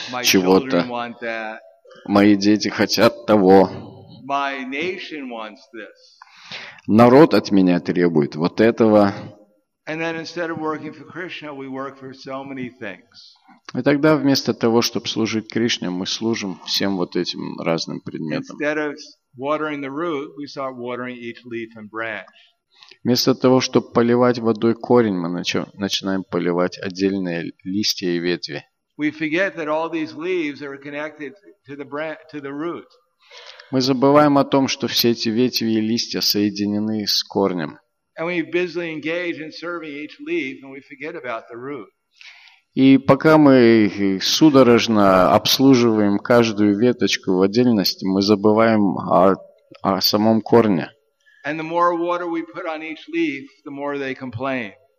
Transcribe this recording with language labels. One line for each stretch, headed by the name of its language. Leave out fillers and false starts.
English: My
Russian: чего-то.
English: Children want that.
Russian: Мои дети хотят того.
English: My nation wants this.
Russian: Народ от меня требует вот этого.
English: And then instead of working for Krishna, we work for so many things.
Russian: И тогда вместо того, чтобы служить Кришне, мы служим всем вот этим разным предметам.
English: Instead of watering the root, we start watering each leaf and branch.
Russian: Вместо того, чтобы поливать водой корень, мы начинаем поливать отдельные листья и ветви.
English: We forget that all these leaves are connected to the branch, to the root.
Russian: Мы забываем о том, что все эти ветви и листья соединены с корнем.
English: And we busily engage in serving each leaf, and we forget about the root.
Russian: И пока мы судорожно обслуживаем каждую веточку в отдельности, мы забываем о самом корне.
English: And the more water we put on each leaf, the more they complain.